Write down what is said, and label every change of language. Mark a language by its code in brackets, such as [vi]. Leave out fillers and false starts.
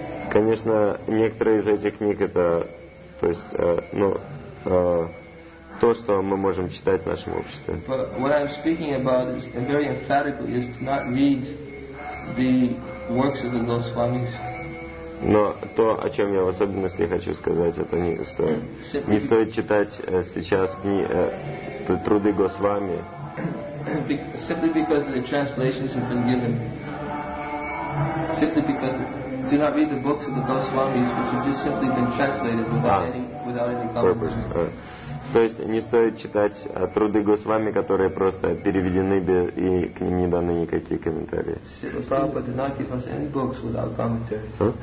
[ru] Конечно, некоторые из этих книг это, то есть, то, что мы можем читать в нашем обществе. [en] But what I'm speaking about is very emphatically is to not read the works of the Goswamis. [ru] Но то, о чем я в особенности хочу сказать, это не стоит. Не стоит читать сейчас труды Госвами. [en] Simply because the translations have been given. Simply because do not read the books of the Goswamis, which have just simply been translated without any commentary. [ru] То есть не стоит читать труды Госвами, которые просто переведены и к ним не даны никакие комментарии. [en] Simply Prabhupada did not give us any books without commentaries.